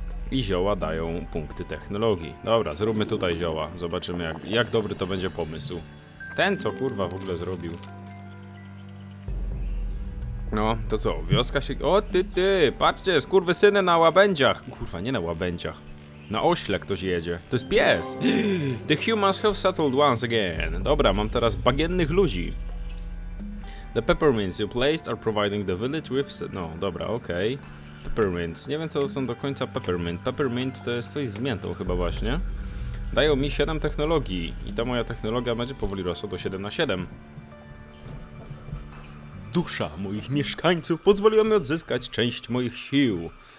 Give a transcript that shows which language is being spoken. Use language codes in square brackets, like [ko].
[pl] I zioła dają punkty technologii. Dobra, zróbmy tutaj zioła. Zobaczymy, jak dobry to będzie pomysł. Ten, co kurwa w ogóle zrobił. No, to co? Wioska się... O, ty! Patrzcie, skurwysyny na łabędziach! Kurwa, nie na łabędziach. Na ośle ktoś jedzie. To jest pies! [en] The humans have settled once again. [pl] Dobra, mam teraz bagiennych ludzi. [en] The peppermints you placed are providing the village with... [pl] No, dobra, okej. Peppermint. Nie wiem, co to są do końca peppermint. Peppermint to jest coś z miętą chyba właśnie. Dają mi 7 technologii i ta moja technologia będzie powoli rosła do 7 na 7. Dusza moich mieszkańców pozwoliła mi odzyskać część moich sił.